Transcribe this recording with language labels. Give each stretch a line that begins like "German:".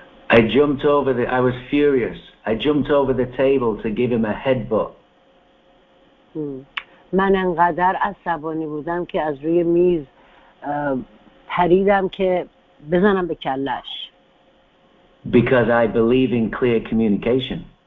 English: I was furious. I jumped over the table to give him a headbutt.
Persian: من انقدر عصبانی بودم که از روی میز پریدم که بزنم به کلش.
English: Because I believe in clear communication.